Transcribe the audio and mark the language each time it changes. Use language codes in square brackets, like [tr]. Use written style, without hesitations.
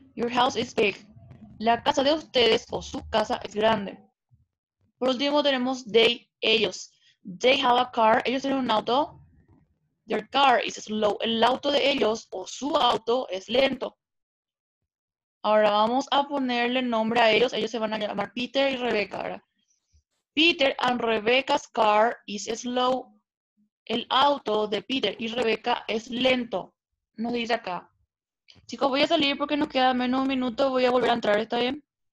[en] Your house is big. [es] La casa de ustedes o su casa es grande. Por último tenemos they, ellos. [en] They have a car. [es] Ellos tienen un auto. [en] Their car is slow. [es] El auto de ellos o su auto es lento. Ahora vamos a ponerle nombre a ellos. Ellos se van a llamar Peter y Rebecca. [en] Peter and Rebecca's car is slow. [es] El auto de Peter y Rebecca es lento. Nos dice acá. Chicos, voy a salir porque nos queda menos un minuto. Voy a volver a entrar, ¿está bien?